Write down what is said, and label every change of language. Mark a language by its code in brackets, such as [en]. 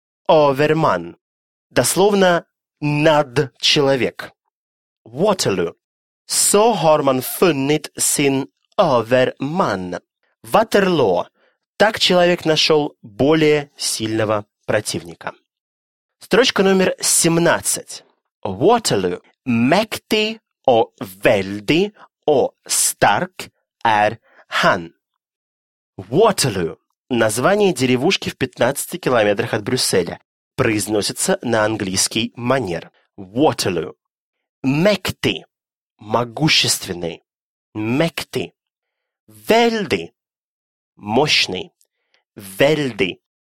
[ru] Overman. Дословно «над человек». Waterloo. [sv] So har man funnit sin Överman. Waterloo. [ru] Так человек нашел более сильного противника. Строчка номер 17. Waterloo. [sv] Mäktig och väldig och stark är han. Waterloo. [ru] Название деревушки в 15 километрах от Брюсселя. Произносится на английский манер. [sv] Waterloo. Mäktig. Могущественный. Mäktig. Väldig. Мощный. Väldig.